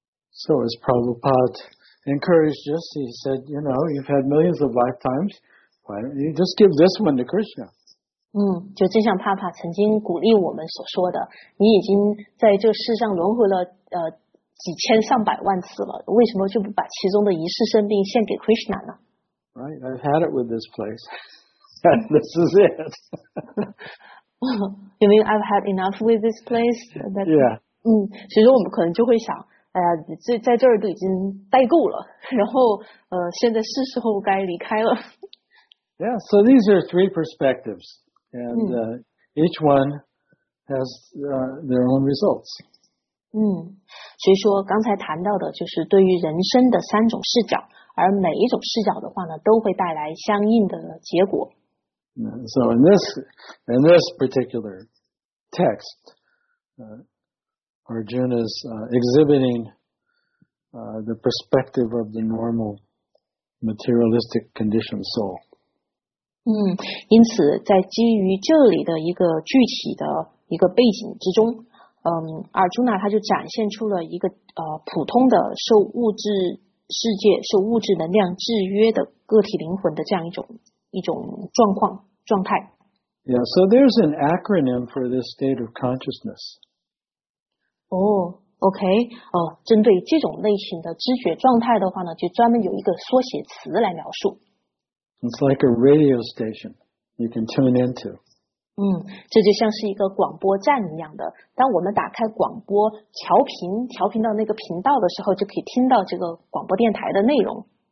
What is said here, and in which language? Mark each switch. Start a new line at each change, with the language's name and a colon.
English: So as Prabhupada encouraged us, he said, you know, you've had millions of lifetimes, why don't you just give this one to Krishna?
Chinese: 就就像帕帕曾经鼓励我们所说的，你已经在这世上轮回了几千上百万次了，为什么就不把其中的一世生命献给 Krishna 呢？
English: Right, I've had it with this place. This is it. You mean I've had enough with this place? Yeah.
Chinese: 其实我们可能就会想，在这儿都已经待够了，然后现在是时候该离开了。
English: Yeah, so these are three perspectives. And each one has their own results.
Chinese: 所以说刚才谈到的就是对于人生的三种视角，而每一种视角的话呢，都会带来相应的结果。
English: So in this particular text, Arjuna is exhibiting the perspective of the normal materialistic conditioned soul.
Chinese: 因此在基于这里的一个具体的一个背景之中，尔朱纳他就展现出了一个普通的受物质世界、受物质能量制约的个体灵魂的这样一种状况状态。
English: Yeah, so there's an acronym for this state of consciousness.
Chinese: Okay, 针对这种类型的知觉状态的话呢，就专门有一个缩写词来描述。
English: It's like a radio station you can tune into.
Chinese: 这就像是一个广播站一样的。当我们打开广播调频到那个频道的时候，就可以听到这个广播电台的内容。